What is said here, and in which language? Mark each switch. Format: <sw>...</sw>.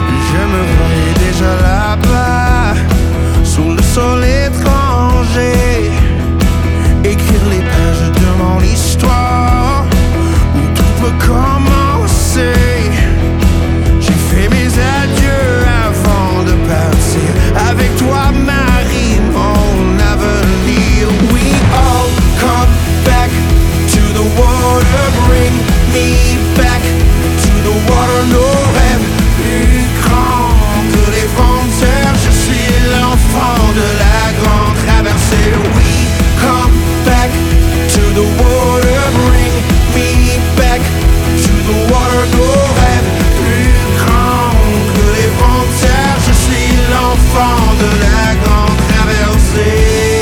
<fr>Je me voyais déjà là-bas, sous le sol étranger, écrire les pages de mon histoire, où tout peut commencer. J'ai fait mes adieux avant de partir, avec toi Marie, mon avenir.</fr> <en>We all come back to the water, bring me back to the water.</en> <fr>No rêve plus grand que les vents de terre, je suis l'enfant de la grande traversée.</fr> <en>We come back to the water, bring me back to the water.</en> <fr>No rêve plus grand que les vents de terre, je suis l'enfant de la grande traversée.</fr>